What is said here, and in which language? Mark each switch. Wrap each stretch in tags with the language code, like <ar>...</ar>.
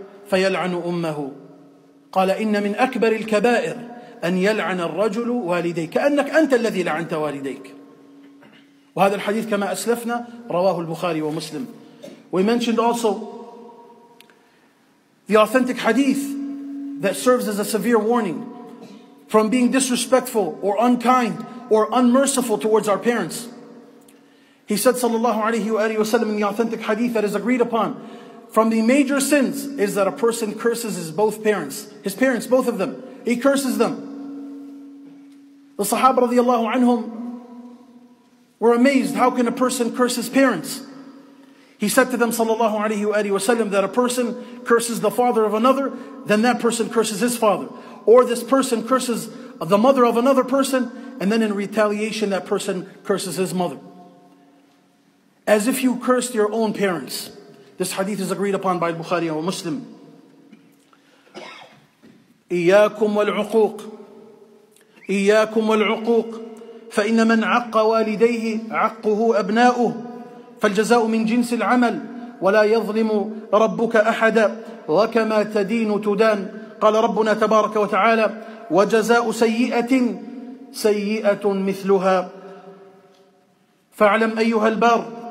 <ar>فيلعن أمه قال إن من أكبر الكبائر أن يلعن الرجل والديك كأنك أنت الذي لعنت والديك وهذا الحديث كما أسلفنا رواه البخاري ومسلم</ar> <en>We mentioned also the authentic hadith that serves as a severe warning from being disrespectful or unkind or unmerciful towards our parents. He said, sallallahu alayhi wa alayhi wa sallam, in the authentic hadith that is agreed upon, from the major sins is that a person curses his both parents, his parents, both of them. He curses them. The Sahaba radiallahu anhum were amazed, how can a person curse his parents? He said to them, sallallahu alayhi wa alayhi wa sallam, that a person curses the father of another, then that person curses his father. Or this person curses the mother of another person, and then in retaliation that person curses his mother. As if you cursed your own parents. This hadith is agreed upon by Bukhari and Muslim.</en> <ar>إِيَّاكُمْ وَالْعُقُوقِ إِيَّاكُمْ وَالْعُقُوقِ فَإِنَّ مَنْ عَقَّ وَالِدَيْهِ عَقُّهُ أَبْنَاؤُهُ فَالْجَزَاءُ مِنْ جِنْسِ الْعَمَلِ وَلَا يَظْلِمُ رَبُّكَ أَحَدًا وَكَمَا تَدِينُ تُدَانْ قال ربنا تبارك وتعالى وجزاء سيئة سيئة مثلها فاعلم أيها البار</ar>